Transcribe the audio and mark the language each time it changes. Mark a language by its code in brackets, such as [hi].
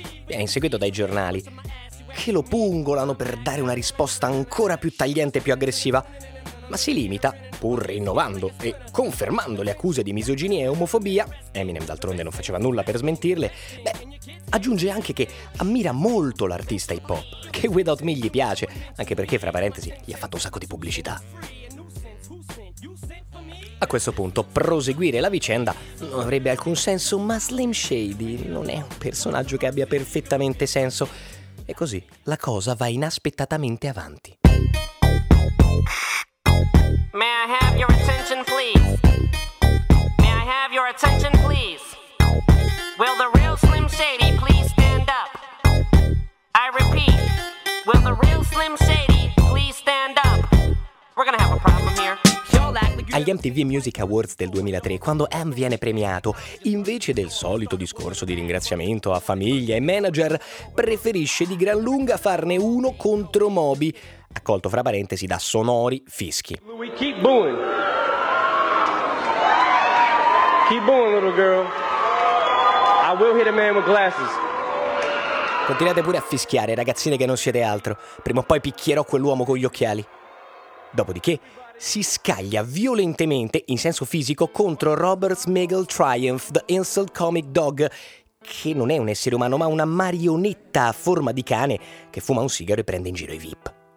[it] Viene inseguito dai giornali che lo pungolano per dare una risposta ancora più tagliente e più aggressiva, ma si limita, pur rinnovando e confermando le accuse di misoginia e omofobia, Eminem d'altronde non faceva nulla per smentirle, aggiunge anche che ammira molto l'artista hip hop, che Without Me gli piace, anche perché, fra parentesi, gli ha fatto un sacco di pubblicità. A questo punto, proseguire la vicenda non avrebbe alcun senso, ma Slim Shady non è un personaggio che abbia perfettamente senso. E così la cosa va inaspettatamente avanti. [en] May I have your attention, please? May I have your attention, please? Will the real Slim Shady please stand up? I repeat, will the real Slim Shady please stand up? We're gonna have a problem here. [it] Agli MTV Music Awards del 2003, quando M viene premiato, invece del solito discorso di ringraziamento a famiglia e manager, preferisce di gran lunga farne uno contro Moby, accolto fra parentesi da sonori fischi. [en] We keep booing. Keep booing, little girl. I will hit a man with glasses. [it] Continuate pure a fischiare, ragazzine, che non siete altro. Prima o poi picchierò quell'uomo con gli occhiali. Dopodiché si scaglia violentemente, in senso fisico, contro Robert Smigel Triumph, the Insult Comic Dog, che non è un essere umano, ma una marionetta a forma di cane che fuma un sigaro e prende in giro i VIP.